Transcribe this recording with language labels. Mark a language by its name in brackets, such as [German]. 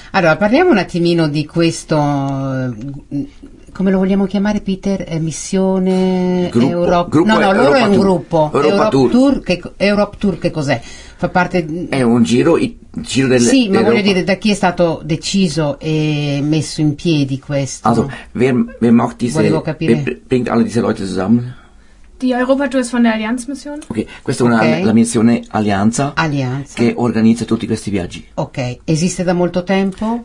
[Italian] Allora, parliamo un attimino di questo, come lo vogliamo chiamare, Peter? Missione Europe Tour? No, loro Europa è un Tour. Gruppo. Europe Tour, che cos'è? Fa parte... È un giro del... Sì, ma voglio dire, da chi è stato deciso e messo in piedi questo? [German] Also, wer macht diese... [Italian] Volevo capire. [German] Wer bringt alle diese Leute zusammen? Die Europa Tour ist von der Allianz Mission. [Italian] Ok, questa è una, okay, la missione Allianza. Allianza. Che organizza tutti questi viaggi. Ok, esiste da molto tempo?